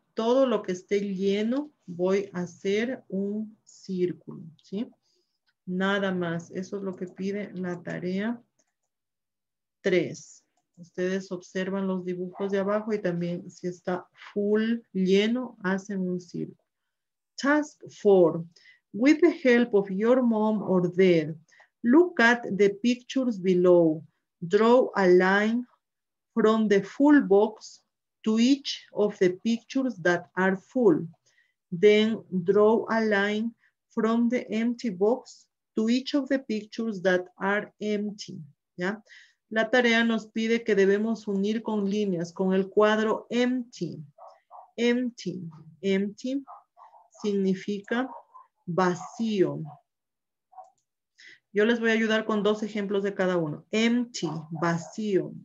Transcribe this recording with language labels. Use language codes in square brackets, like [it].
[es] Todo lo que esté lleno, voy a hacer un círculo. ¿Sí? Nada más. Eso es lo que pide la tarea 3. Ustedes observan los dibujos de abajo y también si está full, lleno, hacen un círculo. [en] Task 4. With the help of your mom or dad, look at the pictures below. Draw a line from the full box to each of the pictures that are full. Then draw a line from the empty box to each of the pictures that are empty. [es] ¿Ya? La tarea nos pide que debemos unir con líneas, con el cuadro empty. Empty. Empty significa vacío. Yo les voy a ayudar con dos ejemplos de cada uno. Empty, vacío.